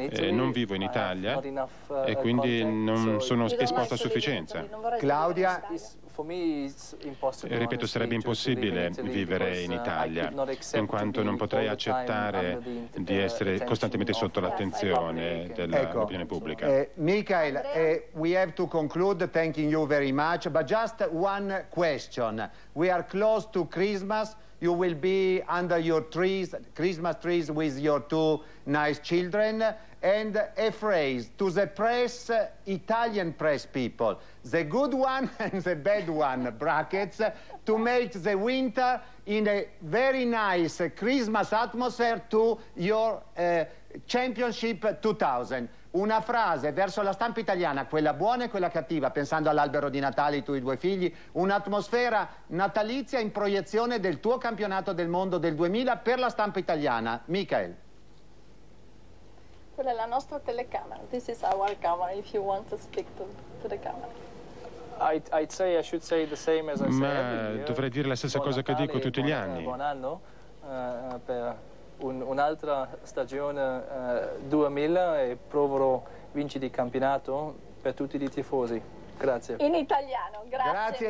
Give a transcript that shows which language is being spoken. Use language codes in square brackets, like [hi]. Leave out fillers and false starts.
[it] Non vivo in Italia e quindi non sono esposto a sufficienza. Claudia, ripeto, sarebbe impossibile vivere in Italia, in quanto non potrei accettare di essere costantemente sotto l'attenzione dell'opinione pubblica. [en] Michael, we have to conclude, thanking you very much, but just one question. We are close to Christmas. you will be under your trees, Christmas trees, with your two nice children. And a phrase to the press, Italian press people, the good one and the bad one, brackets, to make the winter in a very nice Christmas atmosphere to your championship 2000. [it] Una frase verso la stampa italiana, quella buona e quella cattiva, pensando all'albero di Natale e i tuoi due figli, un'atmosfera natalizia in proiezione del tuo campionato del mondo del 2000 per la stampa italiana. Michael. Quella è la nostra telecamera. [en] This is our camera, if you want to speak to the camera. [it] Dovrei dire la stessa cosa che dico tutti gli anni. Buon anno per un'altra stagione 2000 e proverò vincere il campionato per tutti i tifosi. Grazie. In italiano, grazie.